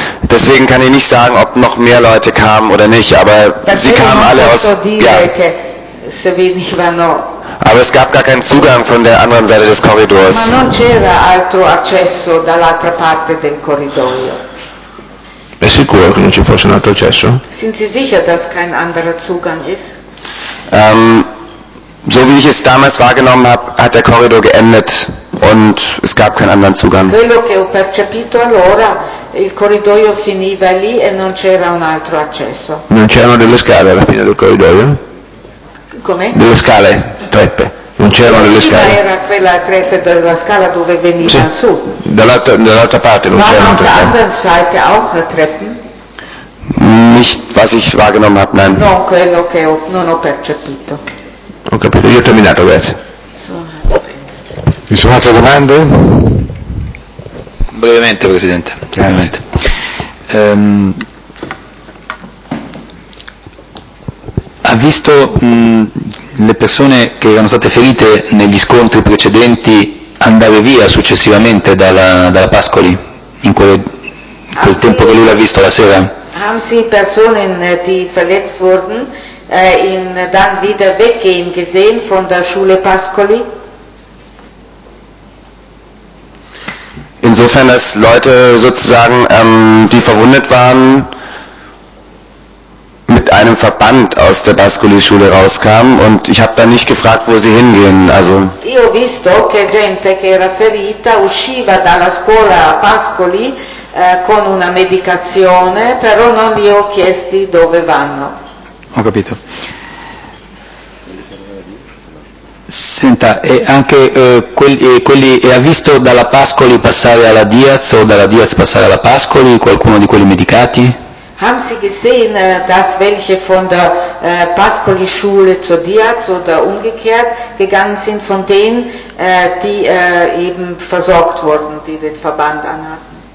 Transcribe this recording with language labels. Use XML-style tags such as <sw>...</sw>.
<de>Deswegen kann ich nicht sagen, ob noch mehr Leute kamen oder nicht, aber sie kamen alle aus. Ja. Aber es gab gar keinen Zugang von der anderen Seite des Korridors.</de> <it>Ma non c'era altro accesso dall'altra parte del corridoio. È sicuro che non ci fosse un altro accesso?</it> <de>Sind Sie sicher, dass kein anderer Zugang ist? So wie ich es damals wahrgenommen habe, hat der Korridor geendet und es gab keinen anderen Zugang.</de> <it>Quello che ho percepito allora, il corridoio finiva lì e non c'era un altro accesso. Non c'erano delle scale alla fine del corridoio? Come? Delle scale, treppe. Non c'erano delle scale. Era quella treppe della scala dove veniva sì. Su. Dall'altra parte non c'erano treppe. Ma dall'altra parte</it> <de>auch Treppen? Nicht, was ich wahrgenommen habe, nein.</de> <it>Non quello che ho, non ho percepito. Ho capito, io ho terminato, grazie. Ci sono altre domande? Brevemente, Presidente. Brevemente. Ha visto le persone che erano state ferite negli scontri precedenti andare via successivamente dalla Pascoli, in quel tempo che lui l'ha visto la sera?</it> <de>Haben Sie Personen, die verletzt wurden, in dann wieder weggehen gesehen von der Schule Pascoli? Insofern, dass Leute sozusagen, die verwundet waren, mit einem Verband aus der Pascoli-Schule rauskamen und ich habe dann nicht gefragt, wo sie hingehen. Also.</de> <it>Io ho visto che gente che era ferita usciva dalla scuola Pascoli con una medicazione, però non gli ho chiesti dove vanno. Ho capito. Senta, e anche quelli ha visto dalla Pascoli passare alla Diaz o dalla Diaz passare alla Pascoli qualcuno di quelli medicati?</it> <de>Haben Sie gesehen, dass welche von der Pascoli Schule zur Diaz oder umgekehrt gegangen sind von denen, die eben versorgt wurden, die den Verband anhatten?</de>